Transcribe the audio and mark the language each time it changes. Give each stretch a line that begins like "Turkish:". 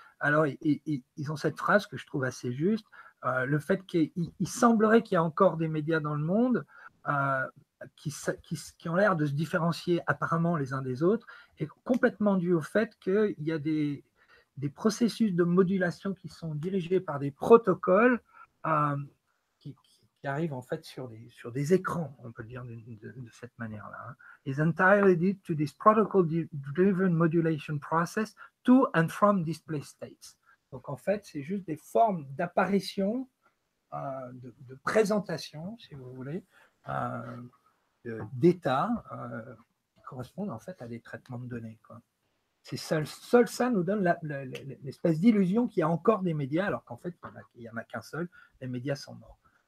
French: Alors, ils ont cette phrase que je trouve assez juste, le fait qu'il semblerait qu'il y a encore des médias dans le monde qui ont l'air de se différencier apparemment les uns des autres, est complètement dû au fait qu'il y a des processus de modulation qui sont dirigés par des protocoles qui arrivent en fait sur des écrans, on peut le dire de cette manière-là.
English: Is entirely due to this protocol-driven modulation process to and from display states.
French: Donc en fait, c'est juste des formes d'apparition, de présentation, si vous voulez, d'état qui correspondent en fait à des traitements de données. Quoi. c'est seul, seul ça nous donne l'espèce d'illusion qu'il y a encore des médias, alors qu'en fait, il n'y en a qu'un seul, les médias sont morts.